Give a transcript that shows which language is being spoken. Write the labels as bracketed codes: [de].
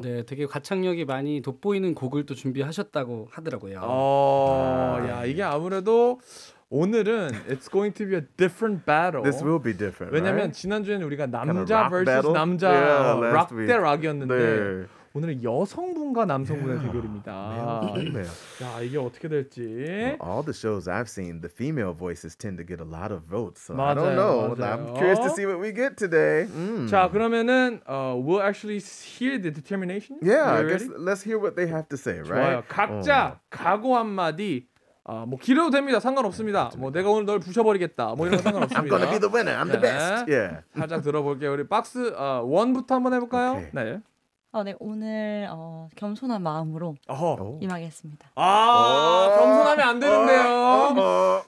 [ko] 네, 되게 가창력이 많이 돋보이는 곡을 또 준비하셨다고 하더라고요. 야, 이게 아무래도 오늘은 [en] it's going to be a different battle. This will be different. [ko] 왜냐면 [en] right? [ko] 지난주에는 우리가 남자 vs 남자 [en] rock [ko] 대 rock이었는데. 오늘은 여성분과 남성분의 대결입니다. 야, 이게 어떻게 될지. [en] Well, all the shows I've seen, the female voices tend to get a lot of votes. So [ko] 맞아요, [en] I don't know. [ko] 맞아요. [en] I'm curious to see what we get today. [ko] 자, 그러면은 [en] we'll actually hear the determination. Yeah, I guess let's hear what they have to say, right? [ko] 좋아요. 각자 각오 한마디. 뭐 길어도 됩니다. 상관없습니다. 뭐 내가 오늘 널 부셔버리겠다. 뭐 이런 거 상관없습니다. [en] I'm gonna be the winner. I'm the best. [ko] 네. Yeah. 살짝 들어볼게요. 우리 박스 1부터 한번 해볼까요? [en] Okay. [ko] 네. 네, 오늘 겸손한 마음으로 임하겠습니다. 겸손하면 안 되는데요.